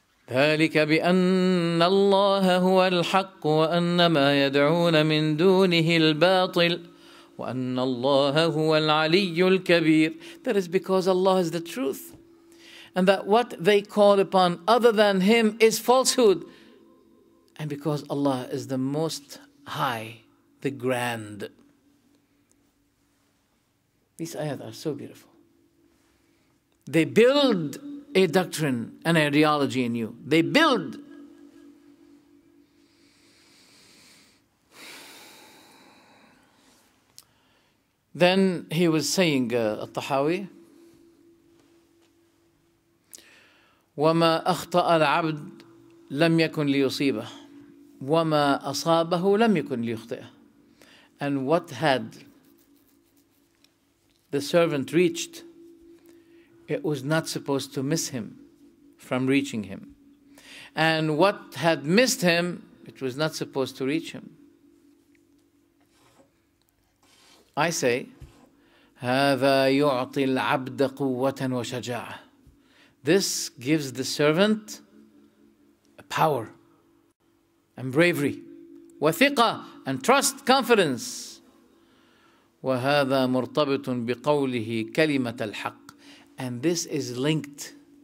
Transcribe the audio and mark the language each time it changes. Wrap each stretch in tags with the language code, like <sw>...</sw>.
<ar>ذلك بأن الله هو الحق وأن ما يدعون من دونه الباطل وأن الله هو العلي الكبير.</ar> <en>That is because Allah is the truth. And that what they call upon other than Him is falsehood. And because Allah is the most high, the grand. These ayat are so beautiful. They build a doctrine, an ideology in you. They build. Then he was saying, al-Tahawi,</en> <ar>وَمَا أَخْطَأَ الْعَبْدُ لَمْ يَكُنْ لِيُصِيبَهُ وَمَا أَصَابَهُ لَمْ يَكُنْ لِيُخْطِئَهُ.</ar> <en>And what had the servant reached, it was not supposed to miss him from reaching him. And what had missed him, it was not supposed to reach him. I say,</en> <ar>هَذَا يُعْطِي الْعَبْدَ قُوَّةً وَشَجَاعَةً.</ar> <en>This gives the servant power and bravery. وَثِقَة and trust, confidence.</en> <ar>وَهَذَا مُرْتَبِطٌ بِقَوْلِهِ كَلِمَةَ الْحَقِّ.</ar> <en>And this is linked.</en>